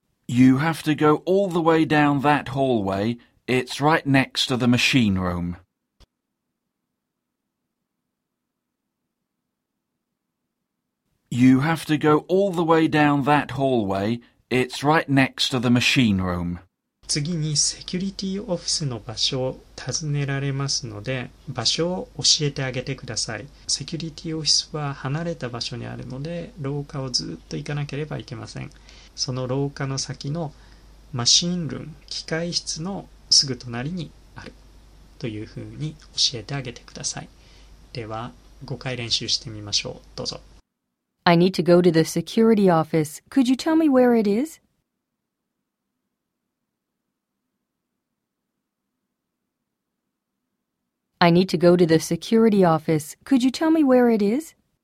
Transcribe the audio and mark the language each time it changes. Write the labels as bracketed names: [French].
[English] You have to go all the way down that hallway. It's right next to the machine room. You have to go all the way down that hallway. It's right next to the machine room. [Japanese] 次にセキュリティオフィスの場所を尋ねられますので、場所を教えてあげてください。セキュリティオフィスは離れた場所にあるので、廊下をずっと行かなければいけません。その廊下の先のマシンルーム、機械室のすぐ隣にあるというふうに教えてあげてください。では、5回練習してみましょう。どうぞ。 [English] I need to go to the security office. Could you tell me where it is? I need to go to the security office. Could you tell me where it is?